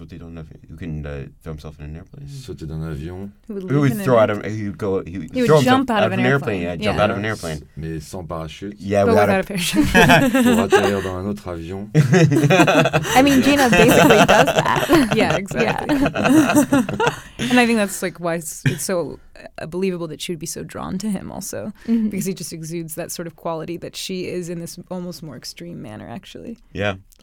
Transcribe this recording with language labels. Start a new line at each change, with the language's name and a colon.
English: Throw himself in an airplane.
French: Sauter d'un avion.
English: He would jump out of an airplane.
French: Mais sans parachute.
English: Yeah, without a parachute.
French: Pour atterrir dans un autre avion.
English: I mean, Gina basically does that. Yeah, exactly. Yeah. And I think that's like why it's so believable that she would be so drawn to him also, mm-hmm. because he just exudes that sort of quality that she is in this almost more extreme manner, actually. Yeah.